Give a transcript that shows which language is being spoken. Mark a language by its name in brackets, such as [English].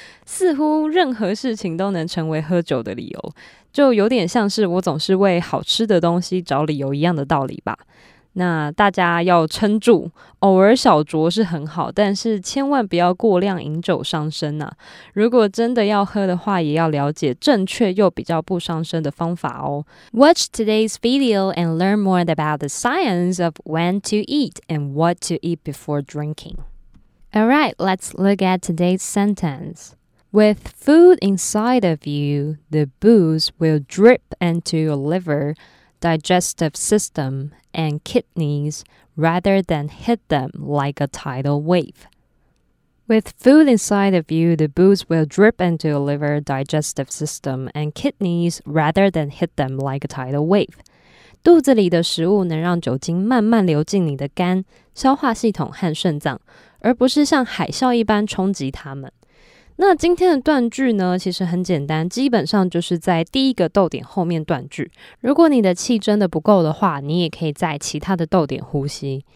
[Chinese] 似乎任何事情都能成为喝酒的理由，就有点像是我总是为好吃的东西找理由一样的道理吧。那大家要撑住，偶尔小酌是很好，但是千万不要过量饮酒伤身啊。如果真的要喝的话，也要了解正确又比较不伤身的方法哦。 [English] Watch today's video and learn more about the science of when to eat and what to eat before drinking. Alright, let's look at today's sentence. With food inside of you, the booze will drip into your liver,digestive system and kidneys rather than hit them like a tidal wave. With food inside of you, the booze will drip into your liver, digestive system and kidneys rather than hit them like a tidal wave. [Chinese] 肚子里的食物能让酒精慢慢流进你的肝、消化系统和肾脏，而不是像海啸一般冲击它们。那今天的断句呢，其实很简单，基本上就是在第一个逗点后面断句。如果你的气真的不够的话，你也可以在其他的逗点呼吸。